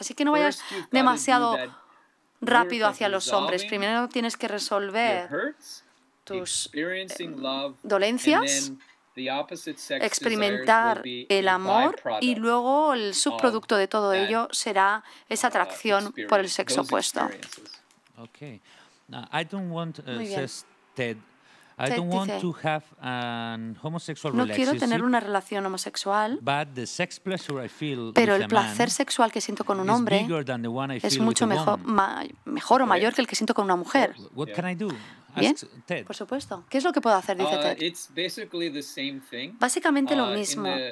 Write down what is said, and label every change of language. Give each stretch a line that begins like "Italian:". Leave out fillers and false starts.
Spanish: Así que no vayas demasiado rápido hacia los hombres. Primero tienes que resolver tus dolencias, experimentar el amor y luego el subproducto de todo ello será esa atracción por el sexo opuesto.
English: Okay. Now, I don't want, says Ted, I don't want to have an homosexual relationship.
Spanish: No quiero tener una relación homosexual,
English: but the sex pleasure I feel
Spanish: pero el placer sexual que siento con un hombre es mucho mejor o mayor que el que siento con una mujer.
English: What can I do?
Spanish: Bien, por supuesto. ¿Qué es lo que puedo hacer? Dice Ted.
English: It's basically the same thing.
Spanish: Básicamente lo mismo.